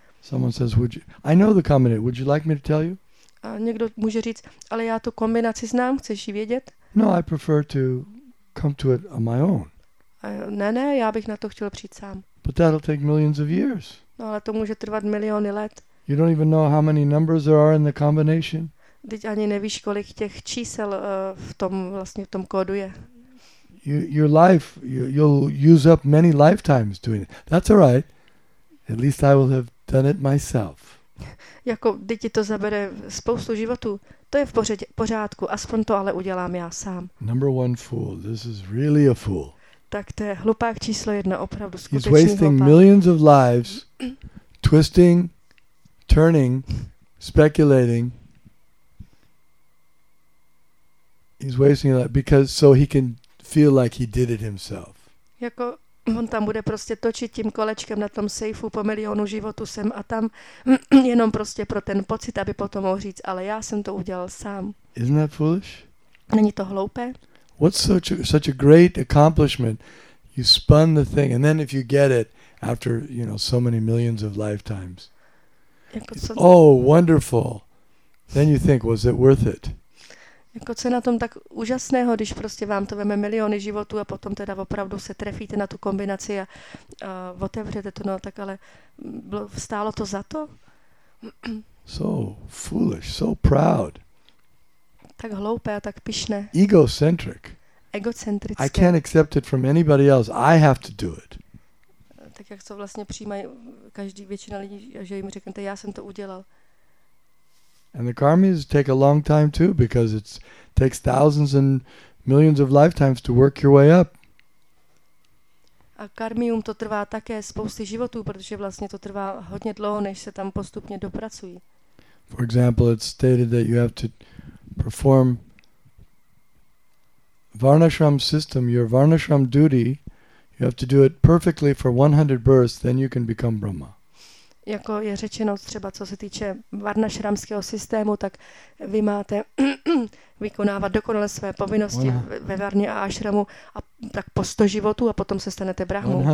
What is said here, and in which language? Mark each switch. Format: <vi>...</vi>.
<en>Someone says, would you, I know the combination, would you like me to tell you?</en> <cs>A někdo může říct, ale já tu kombinaci znám, chceš ji vědět?</cs> <en>No, I prefer to come to it on my own.</en> <cs>Ne, já bych na to chtěl přijít sám.</cs> <en>But that'll take millions of years.</en> <cs>No, ale to může trvat miliony let.</cs> <en>You don't even know how many numbers there are in the combination.</en> <cs>Teď ani nevíš, kolik těch čísel v tom vlastně v tom kódu je.</cs> <en>Your life, you'll use up many lifetimes doing it. That's all right. At least I will have done it myself.</en> <cs>Jako děti to zabere spoustu životů. To je v pořádku, aspoň to ale udělám já sám.</cs> <en>Number one fool. This is really a fool.</en> <cs>Tak to je hlupák číslo jedna, opravdu skutečný hlupák.</cs> <en>He's wasting millions of lives, twisting, turning, speculating. He's wasting that because so he can feel like he did it himself.</en> <cs>Jako on tam bude prostě točit tím kolečkem na tom sejfu po milionu životu sem a tam jenom prostě pro ten pocit, aby potom mohl říct, ale já jsem to udělal sám.</cs> <en>Isn't that foolish?</en> <cs>Není to hloupé?</cs> <en>What's such a great accomplishment? You spun the thing and then if you get it after, you know, so many millions of lifetimes.</en> <cs>Jako</cs> <en>it's, oh, wonderful. Then you think, was it worth it?</en> <cs>Jako co je na tom tak úžasného, když prostě vám to veme miliony životů a potom teda opravdu se trefíte na tu kombinaci a otevřete to, no tak ale bylo, stálo to za to?</cs> <en>So foolish, so proud.</en> <cs>Tak hloupé a tak pyšné.</cs> <en>Egocentric.</en> <cs>Egocentrické.</cs> <en>I can't accept it from anybody else, I have to do it.</en> <cs>Tak jak to vlastně přijímají každý většina lidí, že jim řeknete, já jsem to udělal.</cs> <en>And the karmas take a long time too because it takes thousands and millions of lifetimes to work your way up.</en> <cs>A karmium to trvá také spousty životů, protože vlastně to trvá hodně dlouho, než se tam postupně dopracují.</cs> <en>For example, it's stated that you have to perform varnashram system, your varnashram duty, you have to do it perfectly for 100 births, then you can become Brahma.</en> <cs>Jako je řečeno třeba, co se týče varnašramského systému, tak vy máte vykonávat dokonale své povinnosti ve varně a ašramu a tak po 100 životů a potom se stanete brahmou.</cs>